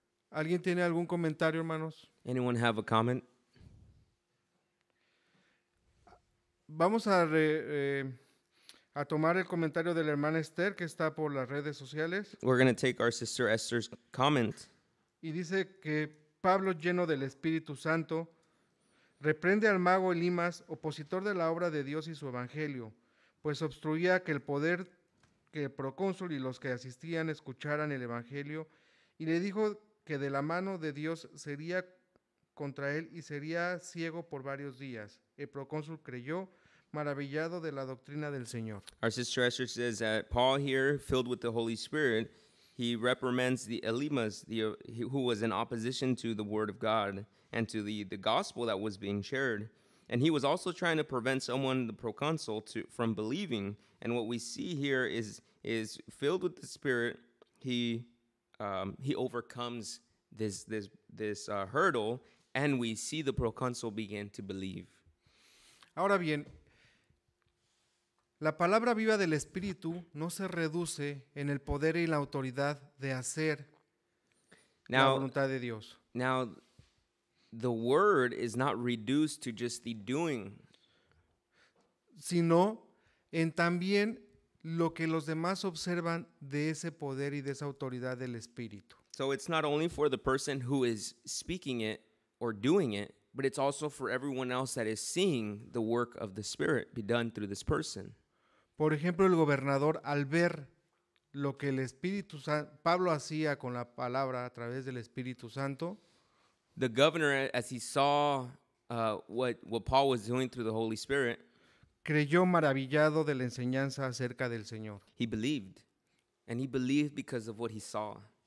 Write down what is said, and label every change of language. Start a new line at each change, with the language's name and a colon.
Spanish: ¿Alguien tiene algún comentario, hermanos?
English: Anyone have a comment?
Spanish: Vamos a tomar el comentario de la hermana Esther, que está por las redes sociales.
English: We're going to take our sister Esther's comment.
Spanish: Y dice que Pablo, lleno del Espíritu Santo, reprende al mago Elimas, opositor de la obra de Dios y su evangelio, pues obstruía que el poder, que el procónsul y los que asistían escucharan el evangelio, y le dijo que de la mano de Dios sería contra él y sería ciego por varios días. El procónsul creyó, maravillado de la doctrina del Señor.
English: Our sister Esther says that Paul here, filled with the Holy Spirit, he reprimands the Elimas, who was in opposition to the word of God and to the gospel that was being shared. And he was also trying to prevent someone, the proconsul, from believing. And what we see here is filled with the Spirit, he overcomes this hurdle, and we see the proconsul begin to believe.
Spanish: Ahora bien, la palabra viva del Espíritu no se reduce en el poder y la autoridad de hacer
English: now,
Spanish: la voluntad de Dios.
English: Now, the word is not reduced to just the doing,
Spanish: sino en también lo que los demás observan de ese poder y de esa autoridad del Espíritu.
English: So it's not only for the person who is speaking it or doing it, but it's also for everyone else that is seeing the work of the Spirit be done through this person.
Spanish: Por ejemplo, el gobernador, al ver lo que el Espíritu Santo, Pablo hacía con la palabra a través del Espíritu Santo.
English: The governor, as he saw what Paul was doing through the Holy Spirit,
Spanish: creyó maravillado de la enseñanza acerca del Señor.
English: He believed, and he believed because of what he saw.